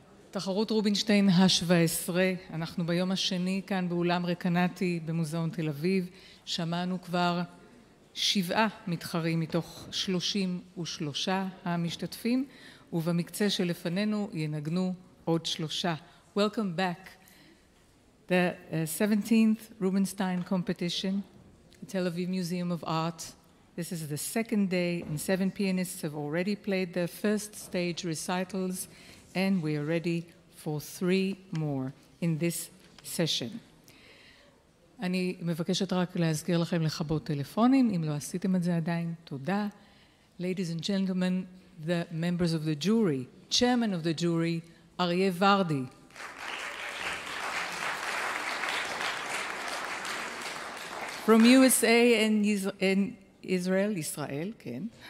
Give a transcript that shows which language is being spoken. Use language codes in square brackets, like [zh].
[he] תחרות רובינשטיין ה-17, אנחנו ביום השני כאן באולם רקנטי במוזיאון תל אביב. שמענו כבר 7 מתחרים מתוך 33 המשתתפים, ובמקצה שלפנינו ינגנו עוד 3. [en] Welcome back. The 17th Rubinstein Competition, the Tel Aviv Museum of Art. This is the second day, and 7 pianists have already played their first stage recitals, and we are ready for 3 more in this session. [he] אני מבקשת רק להזכיר לכם לכבות טלפונים, אם לא עשיתם את זה עדיין, תודה. [en] Ladies and gentlemen, the members of the jury, chairman of the jury, אריה ורדי. From USA and Israel, Israel, כן.